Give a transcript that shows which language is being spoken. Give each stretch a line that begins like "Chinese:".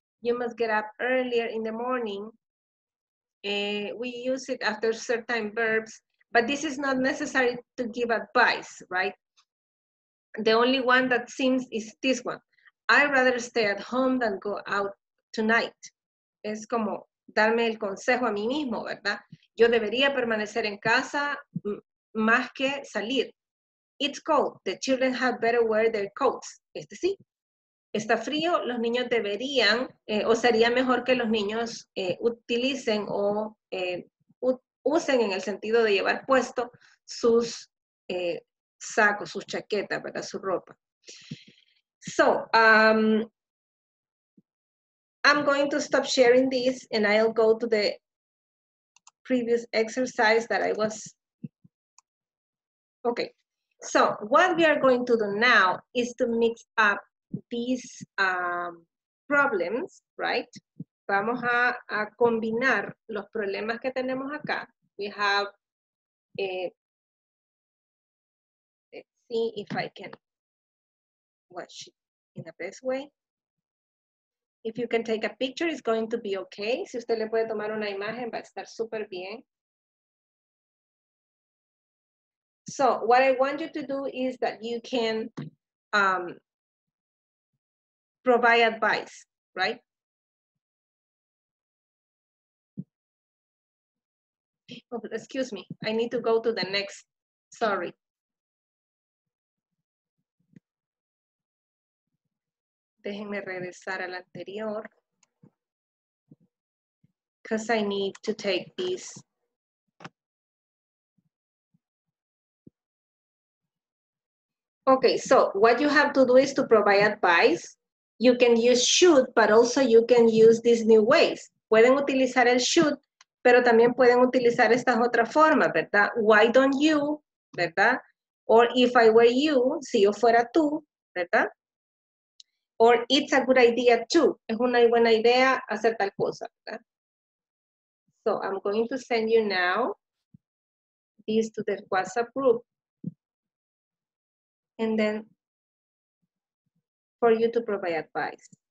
English: You must get up earlier in the morning. We use it after certain verbs, but this is not necessary to give advice, right? The only one that seems is this one. I'd rather stay at home than go out tonight.
Spanish: Es como darme el consejo a mí mismo, ¿verdad? Yo debería permanecer en casa más que salir.
English: It's cold. The children had better wear their coats.
Spanish: Este sí. Está frío, los niños deberían, o sería mejor que los niños utilicen o usen en el sentido de llevar puesto sus sacos, sus chaquetas, ¿verdad? Su ropa.
English: So, I'm going to stop sharing this and I'll go to the previous exercise that I was... Okay, so what we are going to do now is to mix up these problems, right?
Spanish: Vamos a combinar los problemas que tenemos acá.
English: We have, let's see if I can watch it in the best way. If you can take a picture, it's going to be okay.
Spanish: Si usted le puede tomar una imagen, va a estar súper bien.
English: So what I want you to do is that you can provide advice, right? Oh, excuse me, I need to go to the next, sorry.
Spanish: Déjenme regresar al anterior.
English: Because I need to take this. Okay, so what you have to do is to provide advice. You can use should, but also you can use these new ways.
Spanish: Pueden utilizar el should, pero también pueden utilizar estas otras formas, ¿verdad?
English: Why don't you, ¿verdad? Or if I were you,
Spanish: si yo fuera tú, ¿verdad?
English: Or it's a good idea too.
Spanish: Es una buena idea hacer tal cosa, ¿verdad?
English: So I'm going to send you now this to the WhatsApp group. And then for you to provide advice.